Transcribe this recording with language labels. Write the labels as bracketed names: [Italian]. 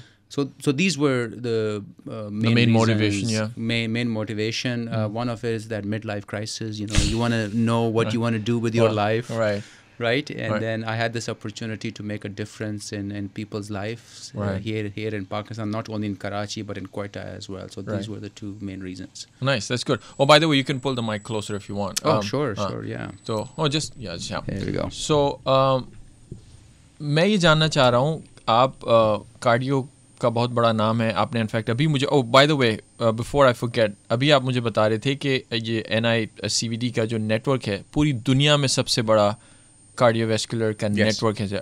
[English] So these were the main motivation. One of is that mid life crisis, you know, you want to know what you want to do with your life, right. Right, and right. then I had this opportunity to make a difference in people's lives, right. here in Pakistan, not only in Karachi but in Quetta as well. So these, right. were the two main reasons. Nice, that's good. Oh, by the way, you can pull the mic closer if you want. Sure, yeah. So yeah. There we go. [Urdu] So main ye janna cha raha hu, aap cardio کا بہت بڑا نام ہے آپ نے, in fact ابھی مجھے, [English] oh by the way before I forget, [Urdu] ابھی آپ مجھے بتا رہے تھے کہ یہ این آئی سی وی ڈی کا جو نیٹورک ہے پوری دنیا میں سب سے بڑا cardiovascular network.